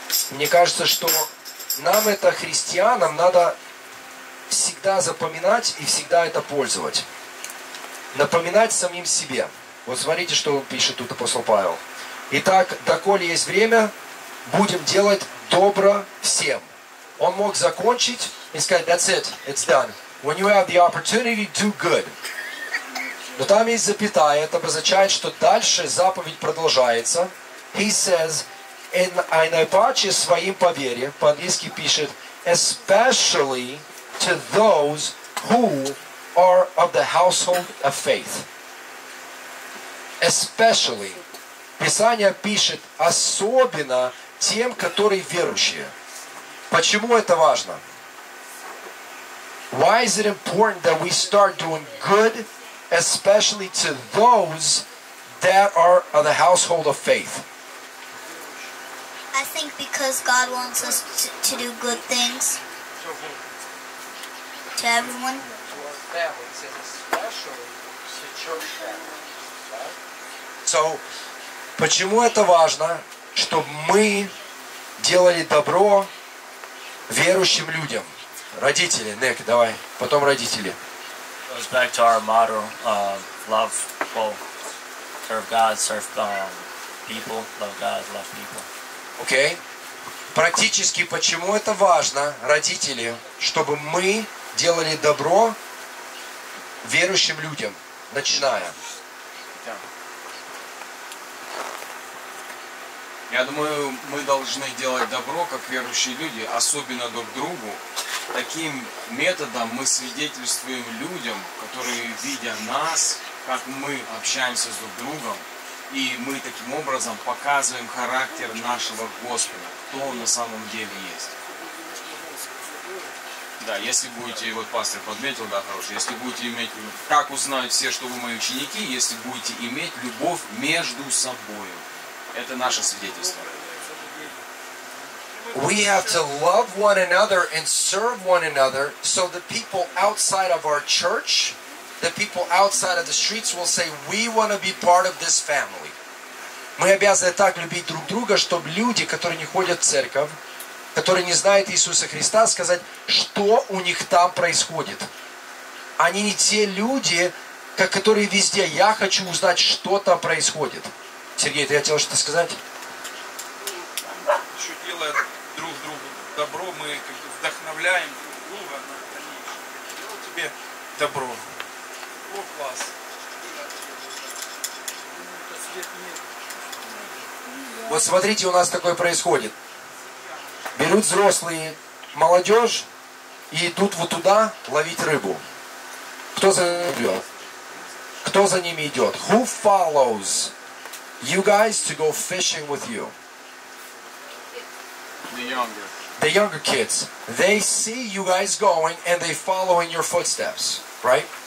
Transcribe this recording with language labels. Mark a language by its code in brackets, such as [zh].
[ru] Мне кажется, что нам это, христианам, надо всегда запоминать и всегда это пользовать. Напоминать самим себе. Вот смотрите, что пишет тут апостол Павел. Итак, доколе есть время, будем делать добро всем. Он мог закончить и сказать, [en] that's it, it's done. When you have the opportunity to do good. [ru] Но там есть запятая, это обозначает, что дальше заповедь продолжается. [en] He says, in a [ru] наипаче своим повере, по-английски пишет, [en] especially to those who are of the household of faith. Especially. [ru] Писание пишет особенно тем, которые верующие. Почему это важно? [en] Why is it important that we start doing good, especially to those that are of the household of faith? I think because God wants us to do good things to everyone. [ru] So, почему это важно, чтобы мы делали добро верующим людям? Родители, Nick, давай, потом родители. [en] It goes back to our motto, love, well, serve God, serve people, love God, love people. [ru] Окей. Практически, почему это важно, родители, чтобы мы делали добро верующим людям, начиная? Я думаю, мы должны делать добро, как верующие люди, особенно друг другу. Таким методом мы свидетельствуем людям, которые, видя нас, как мы общаемся с друг другом, и мы таким образом показываем характер нашего Господа, кто он на самом деле есть. Да, если будете, вот пастор подметил, да, хороший, если будете иметь, как узнают все, что вы мои ученики, если будете иметь любовь между собой. Это наше свидетельство. [en] We have to love one another and serve one another so the people outside of our church, the people outside of the streets will say, we want to be part of this family. [ru] Мы обязаны так любить друг друга, чтобы люди, которые не ходят в церковь, которые не знают Иисуса Христа, сказать, что у них там происходит. Они не те люди, которые везде, я хочу узнать, что там происходит. Сергей, ты хотел что-то сказать? Друг другу добро, мы как-то вдохновляем друг друга на дальнейшее. Делал тебе добро. О, класс. Вот смотрите, у нас такое происходит. Берут взрослые молодежь и идут вот туда ловить рыбу. Кто за ними идет? Кто за ними идет? [en] Who follows you guys to go fishing with you? The younger kids, they see you guys going and they follow in your footsteps, right?